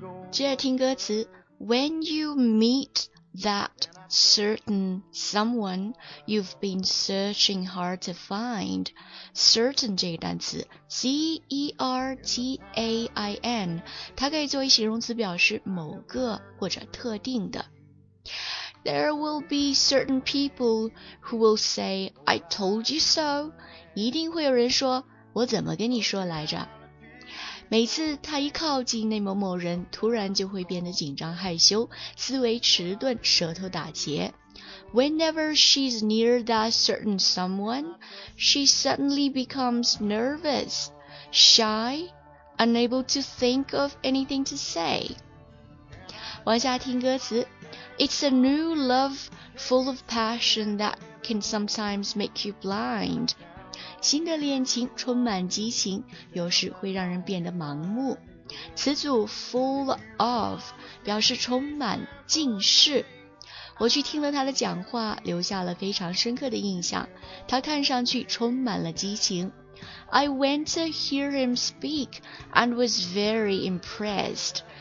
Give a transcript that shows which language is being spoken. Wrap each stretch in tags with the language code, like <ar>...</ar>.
<zh>接着听歌词</zh> <en>When you meet that certain someone you've been searching hard to find Certain</en> <zh>这个单词 C-E-R-T-A-I-N 它可以作为形容词表示某个或者特定的</zh> <en>There will be certain people who will say, I told you so.</en> <zh>一定会有人说，我怎么跟你说来着？每次他一靠近那某某人，突然就会变得紧张害羞，思维迟钝，舌头打结。</zh> <en>Whenever she's near that certain someone, she suddenly becomes nervous, shy, unable to think of anything to say.</en> <zh>往下听歌词。</zh> <en>It's a new love full of passion that can sometimes make you blind.</en> <zh>新的恋情充满激情，有时会让人变得盲目。词组 full of 表示充满尽是。我去听了他的讲话，留下了非常深刻的印象。他看上去充满了激情。</zh> <en>I went to hear him speak and was very impressed.</en>